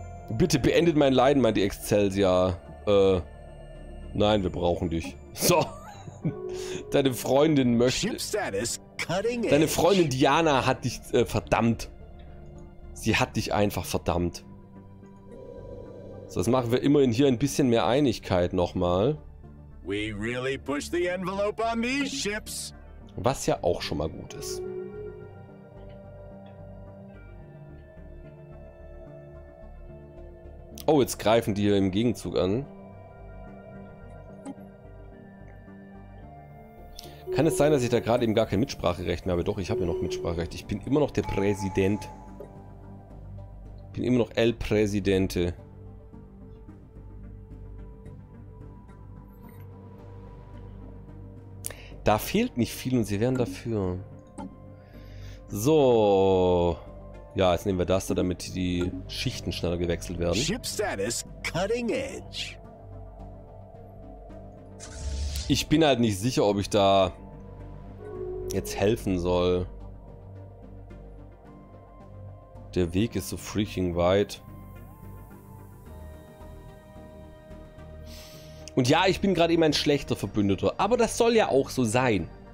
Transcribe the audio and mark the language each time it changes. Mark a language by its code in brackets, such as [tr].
[de] Bitte beendet mein Leiden, meint die Excelsior. Nein, wir brauchen dich. So. Deine Freundin möchte... Deine Freundin Diana hat dich verdammt. Sie hat dich einfach verdammt. So, das machen wir immerhin hier ein bisschen mehr Einigkeit nochmal. [en] We really push the envelope on these ships. [de] Was ja auch schon mal gut ist. Oh, jetzt greifen die hier im Gegenzug an. Kann es sein, dass ich da gerade eben gar kein Mitspracherecht mehr habe? Doch, ich habe ja noch Mitspracherecht. Ich bin immer noch der Präsident. Bin immer noch El Presidente. Da fehlt nicht viel und sie wären dafür. So. Ja, jetzt nehmen wir das da, damit die Schichten schneller gewechselt werden. [en] Ship status cutting edge. [de] Ich bin halt nicht sicher, ob ich da jetzt helfen soll. Der Weg ist so freaking weit. Und ja, ich bin gerade eben ein schlechter Verbündeter. Aber das soll ja auch so sein.